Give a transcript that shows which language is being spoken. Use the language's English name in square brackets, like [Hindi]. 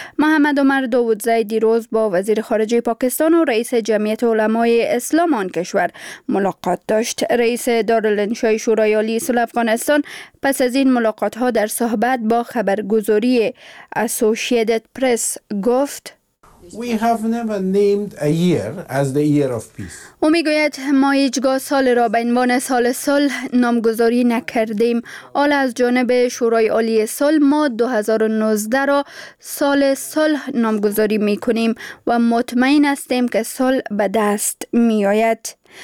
[Persian] محمد عمر داودزی دیروز با وزیر خارجه پاکستان و رئیس جمعیت علمای اسلام آن کشور ملاقات داشت. رئیس دارالانشای شورای عالی صلح افغانستان پس از این ملاقات ها در صحبت با خبرگزاری اسوسییتد پرس گفت [English] We have never named a year as the year of peace. [Persian] او میگوید ما هیچگاه سال را به عنوان سال صلح نامگذاری نکردیم. حال از جانب شورای عالی صلح ما 2019 را سال صلح نامگذاری میکنیم و مطمئن هستیم که صلح به دست میآید.